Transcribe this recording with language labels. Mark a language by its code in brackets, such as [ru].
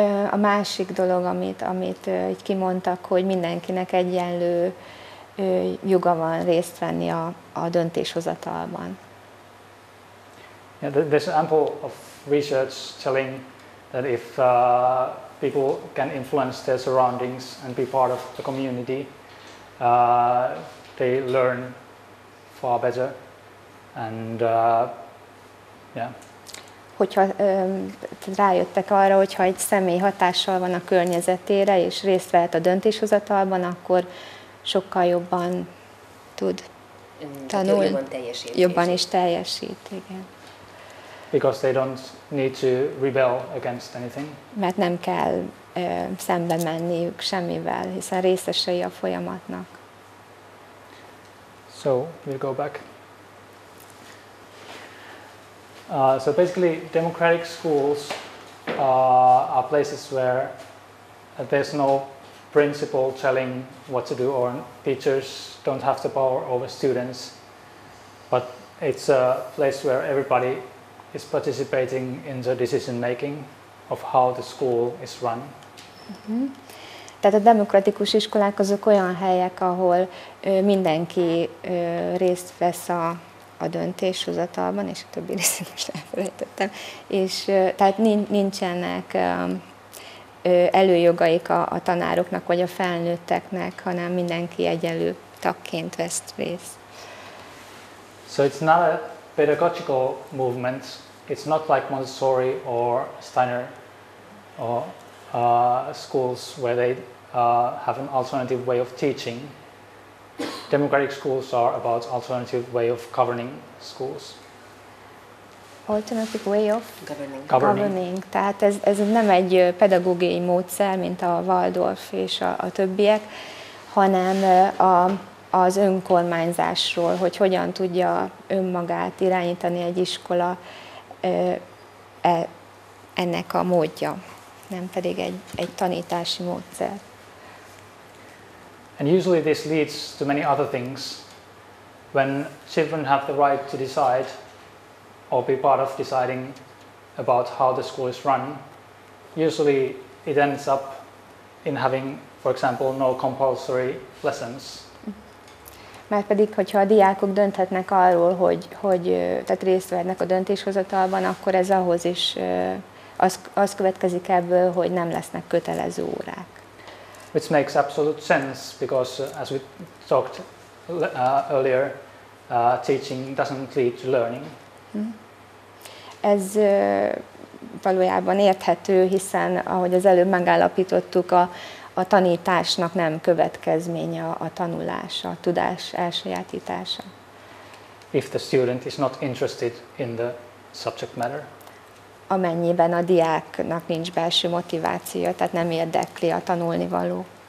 [hu] A másik dolog, amit így kimondtak, hogy mindenkinek egyenlő joga van részt venni a döntéshozatalban. [en] Yeah, there's ample of research telling that if people can influence their surroundings and be part of the community, they learn far better, and [hu] Hogyha rájöttek arra, hogyha egy személy hatással van a környezetére és részt vehet a döntéshozatalban, akkor sokkal jobban tud tanulni, jobban is teljesít, igen. [en] Because they don't need to rebel against anything. [hu] Mert nem kell szembe menniük semmivel, hiszen részesei a folyamatnak. [en] So we'll go back. So basically, democratic schools are places where there's no principal telling what to do, or teachers don't have the power over students. But it's a place where everybody is participating in the decision making of how the school is run. Mm-hmm. [hu] Tehát a demokratikus iskolák azok olyan helyek, ahol mindenki részt vesz a döntéshozatalban, és a többi részét most elfelejtettem. És tehát nincsenek előjogaik a tanároknak vagy a felnőtteknek, hanem mindenki egyenlő tagként vesz részt. [en] So it's not a pedagogical movement. It's not like Montessori or Steiner or schools where they have an alternative way of teaching. Democratic schools are about alternative way of governing schools. Alternative way of governing. [hu] Tehát ez nem egy pedagógiai módszer, mint a Waldorf és a többiek, hanem az önkormányzásról, hogy hogyan tudja önmagát irányítani egy iskola ennek a módja, nem pedig egy tanítási módszer. [en] And usually this leads to many other things. When children have the right to decide or be part of deciding about how the school is run, usually it ends up in having for example, no compulsory lessons. [hu] Mert pedig, hogyha a diákok dönthetnek arról, hogy, tehát részt vernek a döntéshozatalban, akkor ez ahhoz is az következik ebből, hogy nem lesznek kötelező órák. [en] Which makes absolute sense, because as we talked earlier, teaching doesn't lead to learning. [hu] Ez valójában érthető, hiszen ahogy az előbb megállapítottuk, a tanításnak nem következménye a tanulás, a tudás elsajátítása. [en] If the student is not interested in the subject matter. [hu] Amennyiben a diáknak nincs belső motivációja, tehát nem érdekli a tanulnivaló.